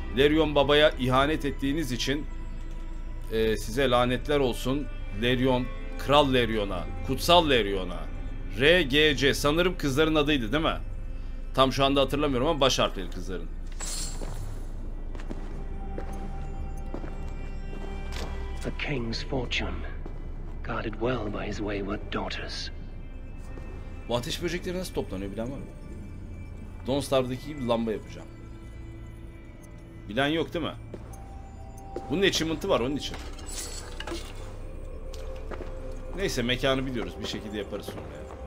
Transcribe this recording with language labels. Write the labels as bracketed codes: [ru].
[tr] Lerion babaya ihanet ettiğiniz için size lanetler olsun. Lerion, Kral Lerion'a, Kutsal Lerion'a. RGC sanırım kızların adıydı değil mi? Tam şu anda hatırlamıyorum ama baş harfleri kızların. [en] A king's fortune, guarded well by his wayward daughters. [tr] Bu ateş böcekleri nasıl toplanıyor bilen var mı? Don Stark'taki gibi lamba yapacağım. Bilen yok değil mi? Bunun achievement'ı var onun için. Neyse mekanı biliyoruz. Bir şekilde yaparız sonra.